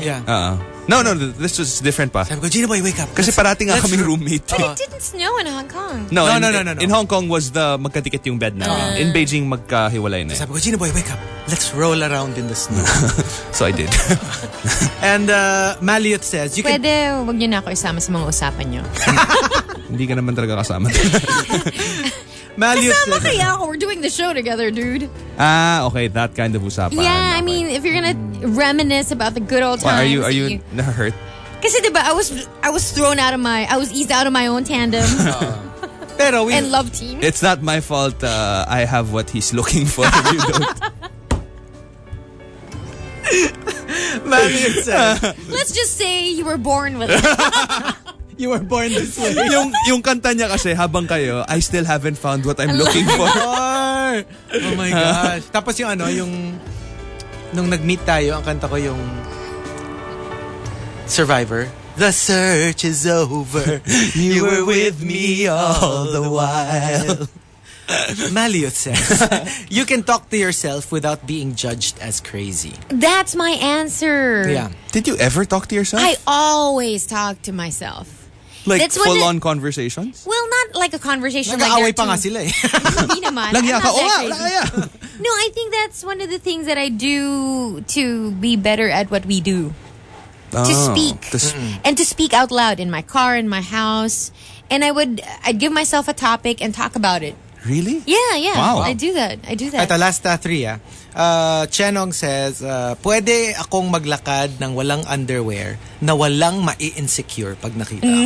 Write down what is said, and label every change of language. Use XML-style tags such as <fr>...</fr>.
<en>Yeah. No, this was different pa.</en> <tl>Sabi ko, Gino Boy,</tl> <en>wake up.</en> <tl>Kasi parating nga kaming roommate.</tl> <en>But it didn't snow in Hong Kong. No. In Hong Kong was the</en> <tl>magkatikit yung</tl> <en>bed na.</en> <tl>In Beijing, magkahiwalay na. Sabi ko, Gino Boy,</tl> <en>wake up. Let's roll around in the snow. So I did. And Maliot says, you</en> <tl>pwede,</tl> <en>can...</en> <tl>Pwede, huwag niyo na ako isama sa mga usapan niyo. Hindi ka naman talaga kasama. Kasama kaya ako.</tl> <en>We're doing the show together, dude. Ah, okay. That kind of usapan. Yeah, I mean, if you're gonna reminisce about the good old times... Why, are you not hurt?</en> <tl>Kasi diba,</tl> <en>I was thrown out of my... I was eased out of my own tandem.</en> <tl>Pero we...</tl> <en>And love team. It's not my fault I have what he's looking for. You don't. Maliot, let's just say you were born with it. You were born this way.</en> <tl>yung kanta niya kasi, habang kayo,</tl> <en>I still haven't found what I'm looking for.</en> <tl>Oh my gosh. Tapos yung ano, yung... Nung nag-meet tayo, ang kanta ko yung...</tl> <en>Survivor. The search is over. You were with me all the while. Maliot says, you can talk to yourself without being judged as crazy. That's my answer. Yeah. Did you ever talk to yourself? I always talk to myself. Like, that's full on conversations? Well, not like a conversation.</en> <tl>Nag-aaway pa nga sila eh. Hindi naman. Lagi ako,</tl> <en>oh, no, I think that's one of the things that I do to be better at what we do. To speak. And to speak out loud in my car, in my house. And I'd give myself a topic and talk about it. Really? Yeah. Wow. I do that. At the last three, ah.</en> <tl>Chenong says, pwede akong maglakad ng walang underwear na walang ma-insecure pag nakita ako.</tl>